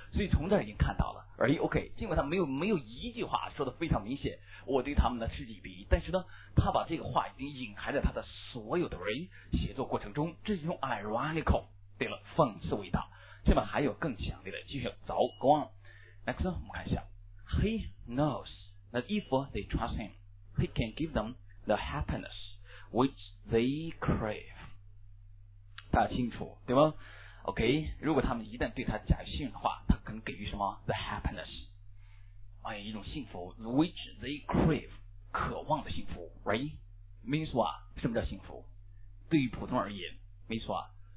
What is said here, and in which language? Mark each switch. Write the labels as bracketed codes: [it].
[zh] 所以从这儿已经看到了，哎 ，OK， 尽管他没有一句话说的非常明显，我对他们的嗤之以鼻，但是呢，他把这个话已经隐含在他的所有的人写作过程中，这是用 ironical， 对了，讽刺味道。下面还有更强烈的，继续走 ， [en] Go on， next， [zh] 我们看一下， [en] He knows that if they trust Him, He can give them the happiness which they crave. [zh] 大家清楚，对吗？ OK， 如果他们一旦对他假信的话，他可能给予什么？ [en] The happiness， 哎， [zh] 一种幸福 [en] which they crave， [zh] 渴望的幸福， [en] right？ [zh] 没错啊，什么叫幸福？对于普通而言，没错啊，